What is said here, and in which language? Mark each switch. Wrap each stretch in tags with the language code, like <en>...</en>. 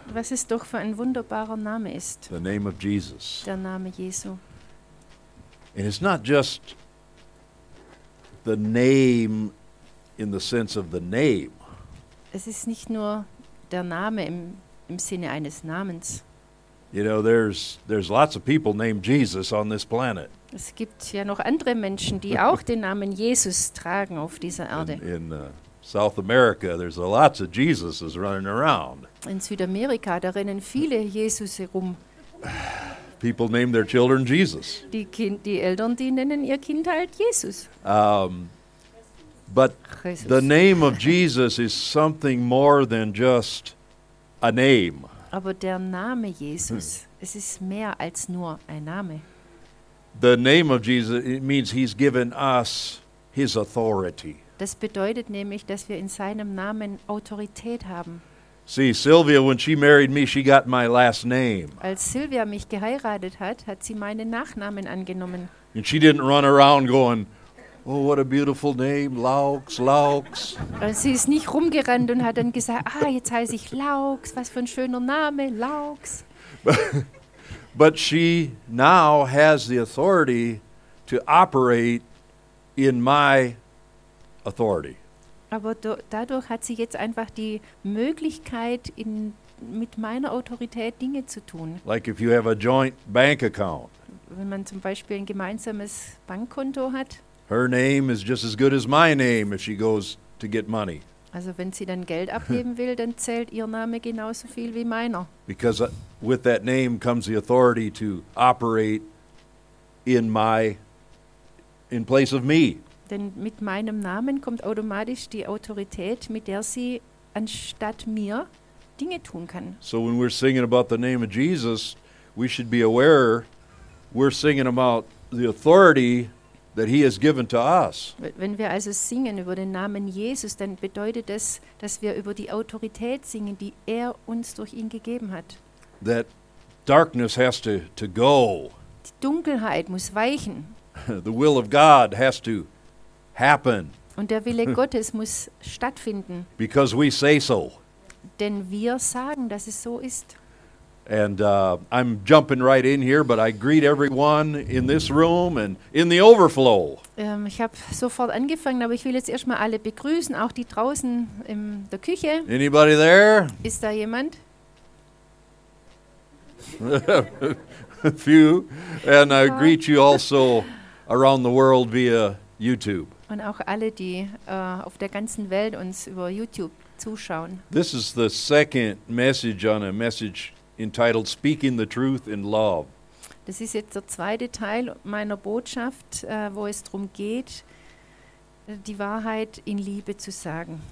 <de>Was es doch für ein wunderbarer Name ist.</de> <en>The name of Jesus.</en> <de>Der Name Jesu.</de> <en>And it's not just the name in the sense of the name.</en> <de>Es ist nicht nur der Name im Sinne eines Namens.</de> <en>You know, there's lots of people named Jesus on this planet.</en> <de>Es gibt ja noch andere Menschen, die auch den Namen Jesus tragen auf dieser Erde.</de> <en>South America, there's a lots of Jesuses running around.</en> <de>In Südamerika, da rennen viele Jesus herum.</de> <en>People name their children Jesus.</en> <de>Die Eltern, die nennen ihr Kind halt Jesus.</de> <en>But Jesus. The name of Jesus is something more than just a name.</en> <de>Aber der Name Jesus, es ist mehr als nur ein Name.</de> <en>The name of Jesus, it means he's given us his authority.</en> <de>Das bedeutet nämlich, dass wir in seinem Namen Autorität haben.</de> <en>See, Sylvia, when she married me, she got my last name.</en> <de>Als Sylvia mich geheiratet hat, hat sie meinen Nachnamen angenommen.</de> <en>And she didn't run around going, oh, what a beautiful name, Laux, Laux.</en> <de>Und sie ist nicht rumgerannt und hat dann gesagt, ah, jetzt heiße ich Laux, was für ein schöner Name, Laux.</de> <en>But she now has the authority to operate in my authority.</en> <de>Aber dadurch hat sie jetzt einfach die Möglichkeit, mit meiner Autorität Dinge zu tun.</de> <en>Like if you have a joint bank account.</en> <de>Wenn man zum Beispiel ein gemeinsames Bankkonto hat.</de> <en>Her name is just as good as my name if she goes to get money.</en> <de>Also wenn sie dann Geld abheben will, dann zählt ihr Name genauso viel wie meiner.</de> <en>Because with that name comes the authority to operate in place of me.</en> <de>Denn mit meinem Namen kommt automatisch die Autorität, mit der sie anstatt mir Dinge tun kann.</de> <en>So when we're singing about the name of Jesus, we should be aware we're singing about the authority that he has given to us.</en> <de>Wenn wir also singen über den Namen Jesus, dann bedeutet das, dass wir über die Autorität singen, die er uns durch ihn gegeben hat.</de> <en>That darkness has to go.</en> <de>Die Dunkelheit muss weichen.</de> <en>The will of God has to happen.</en> <de>Und der Wille Gottes muss stattfinden.</de> <en>Because we say so.</en> <de>Denn wir sagen, dass es so ist.</de> <en>And I'm jumping right in here, but I greet everyone in this room and in the overflow.</en> <de>Ich habe sofort angefangen, aber ich will jetzt erstmal alle begrüßen, auch die draußen in der Küche.</de> <en>Anybody there?</en> <de>Ist da jemand?</de> <en>A few. And I greet you also around the world via YouTube.</en> <de>Und auch alle, die auf der ganzen Welt uns über YouTube zuschauen.</de> <en>This is the second message on a message entitled Speaking the Truth in Love.</en> <de>Das ist jetzt der zweite Teil meiner Botschaft, wo es darum geht, die Wahrheit in Liebe zu sagen.</de>